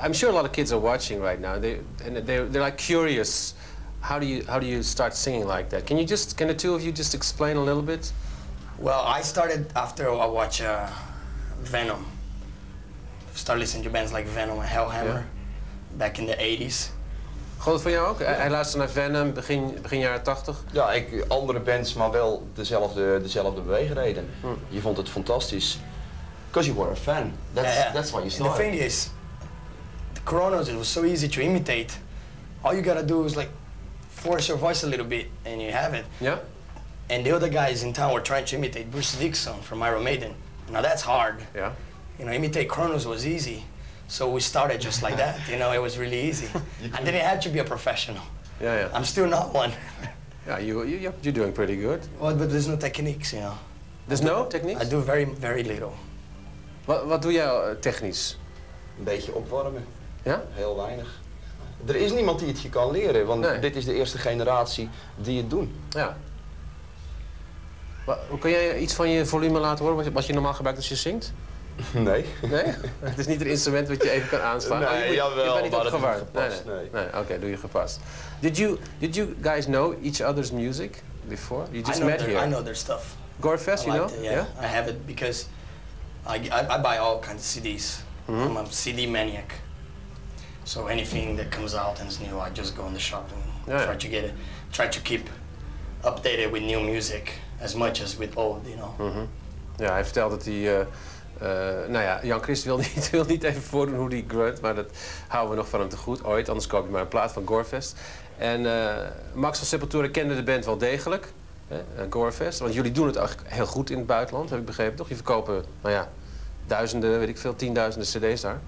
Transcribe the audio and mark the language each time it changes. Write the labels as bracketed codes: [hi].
[en] I'm sure a lot of kids are watching right now. They're like curious. How do you start singing like that? Can the two of you just explain a little bit? Well, I started after I watched Venom. Started listening to bands like Venom and Hellhammer back in the 80s. [nl] Goed voor jou ook? Ja. Hij luisterde naar Venom begin jaren 80. Ja, andere bands, maar wel dezelfde beweegreden. Hm. Je vond het fantastisch. [en] Because you were a fan. That's why you started. And the thing is, the Kronos, it was so easy to imitate. All you gotta do is like force your voice a little bit and you have it. Yeah. And the other guys in town were trying to imitate Bruce Dickinson from Iron Maiden. Now that's hard. Yeah. You know, imitate Kronos was easy. So we started just like that, you know, it was really easy. I didn't have to be a professional. Yeah, yeah. I'm still not one. Yeah, you're doing pretty good. Well, but there's no techniques, you know. No techniques? I do very, very little. [nl] Wat doe jij technisch? Een beetje opwarmen. Ja? Heel weinig. Er is niemand die het je kan leren, want nee. Dit is de eerste generatie die het doen. Ja. Hoe kun jij iets van je volume laten horen, wat je normaal gebruikt als je zingt? Nee. Nee? Het is niet een instrument wat je even kan aanslaan. Nee, oh, jawel, je bent niet maar opgewarmd. Dat doe je gepast. Nee. Oké, okay, doe je gepast. [en] Did you guys know each other's music before? You just met here. I know their stuff. Gorefest, I you know? It, yeah. I have it because I buy all kinds of CDs. Mm-hmm. I'm a CD maniac. So anything that comes out and is new, I just go in the shop and try to get it. Try to keep updated with new music as much as with old, you know? Mm-hmm. [nl] Yeah, hij vertelde dat hij... Jan-Chris wil niet even voordoen hoe die grunt, maar dat houden we nog van hem te goed ooit. Anders koop je maar een plaat van Gorefest. En Max van Sepultura kende de band wel degelijk. Gorefest. Want jullie doen het eigenlijk heel goed in het buitenland, heb ik begrepen, toch? Je verkopen, nou ja, duizenden, weet ik veel, tienduizenden cd's daar.